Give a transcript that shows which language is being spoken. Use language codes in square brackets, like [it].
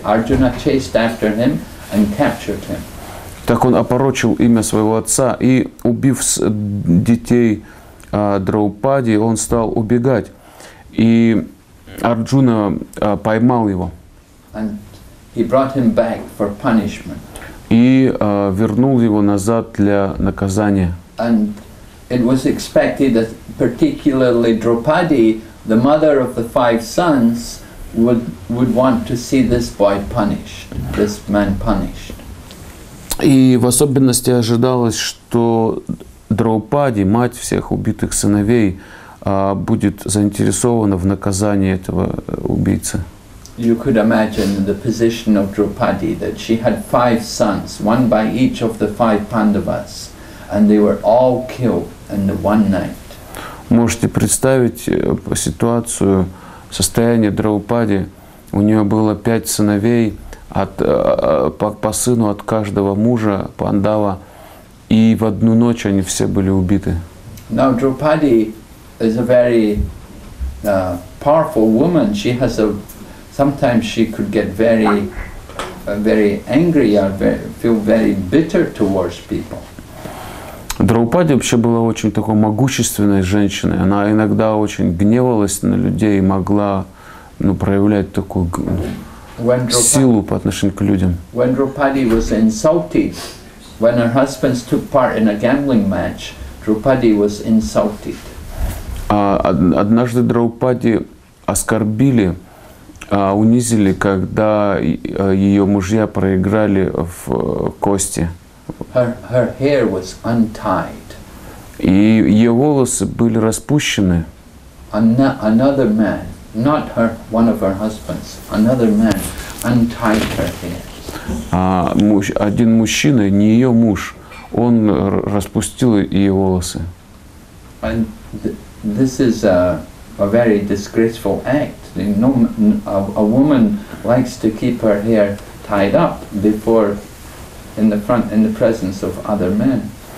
[en] Arjuna chased after him and captured him. [ru] Так он опорочил имя своего отца, и убив детей Драупади, он стал убегать. И Арджуна поймал его. [en] And he brought him back for punishment. [ru] И вернул его назад для наказания. [en] And it was expected that particularly Draupadi, the mother of the five sons, would want to see this boy punished, this man punished. [ru] И в особенности ожидалось, что Драупади, мать всех убитых сыновей, будет заинтересована в наказании этого убийцы. [en] You could imagine the position of Draupadi, that she had five sons, one by each of the five Pandavas, and they were all killed in the one night. [ru] Можете представить ситуацию, состояние Драупади. У нее было пять сыновей, по сыну от каждого мужа Пандава, и в одну ночь они все были убиты. [en] Now Draupadi is a very powerful woman. She has a sometimes she could get very very angry or feel very bitter towards people. [ru] Драупади вообще была очень такой могущественной женщиной. Она иногда очень гневалась на людей и могла проявлять такую силу по отношению к людям. [en] When Draupadi was insulted, when her husband took part in a gambling match, Draupadi was insulted. [ru] Однажды Драупади оскорбили, унизили, когда ее мужья проиграли в кости. [en] Her hair was untied. [ru] И ее волосы были распущены. [en] Another man, not her, one of her husbands, another man untied her hair. [ru] Один мужчина, не ее муж, он распустил ее волосы. [en] And this is a very disgraceful act. No, a woman likes to keep her hair tied up before, in the front, in the presence of other men.